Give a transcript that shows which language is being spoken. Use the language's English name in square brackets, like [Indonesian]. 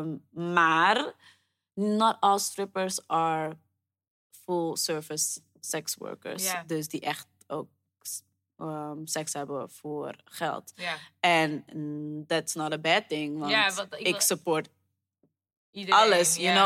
[Dutch] Maar [English] not all strippers are full service sex workers. Yeah. [Dutch] Dus die echt ook seks hebben voor geld. En yeah. [English] That's not a bad thing, [Dutch] want yeah, ik support iedereen, alles, [English] you yeah.